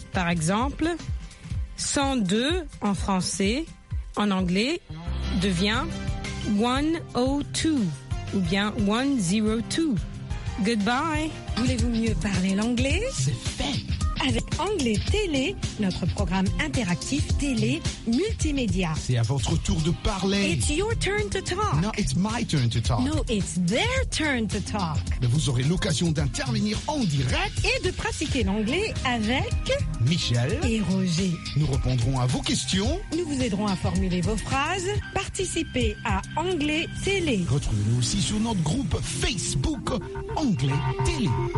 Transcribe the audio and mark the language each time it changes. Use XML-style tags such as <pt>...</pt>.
<fr>Par exemple, 102 en français, en anglais, devient 102 ou bien 102. Goodbye. Voulez-vous mieux parler l'anglais? C'est fait. Avec Anglais Télé, notre programme interactif télé multimédia. C'est à votre tour de parler.</fr> <en>It's your turn to talk. No, it's my turn to talk. No, it's their turn to talk.</en> <fr>Mais vous aurez l'occasion d'intervenir en direct. Et de pratiquer l'anglais avec... Michel. Et Roger. Nous répondrons à vos questions. Nous vous aiderons à formuler vos phrases. Participez à Anglais Télé. Retrouvez-nous aussi sur notre groupe Facebook Anglais Télé.</fr>